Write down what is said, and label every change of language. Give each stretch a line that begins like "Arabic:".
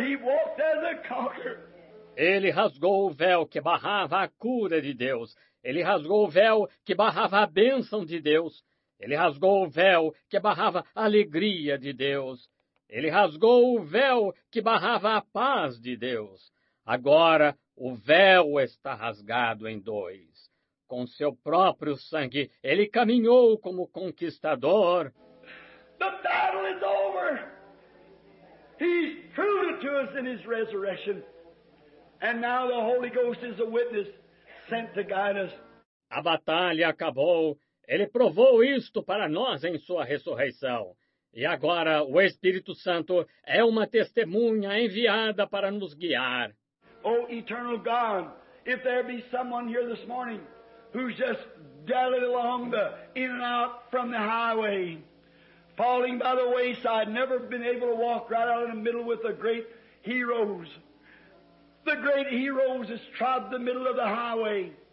English: He walked as a conqueror.
Portuguese: Ele rasgou o véu que barrava a cura de Deus. Ele rasgou o véu que barrava a bênção de Deus. Ele rasgou o véu que barrava a alegria de Deus. Ele rasgou o véu que barrava a paz de Deus. Agora o véu está rasgado em dois. Com seu próprio sangue, ele caminhou como conquistador.
English: The battle is over. He's proven to us in his resurrection. And now the Holy Ghost is a witness sent to guide us.
Portuguese: A batalha acabou. Ele provou isto para nós em sua ressurreição. E agora o Espírito Santo é uma testemunha enviada para nos guiar.
English: Oh, eternal God, if there be someone here this morning who's just dallied along the in and out from the highway, falling by the wayside, never been able to walk right out in the middle with the great heroes that trod the middle of the highway.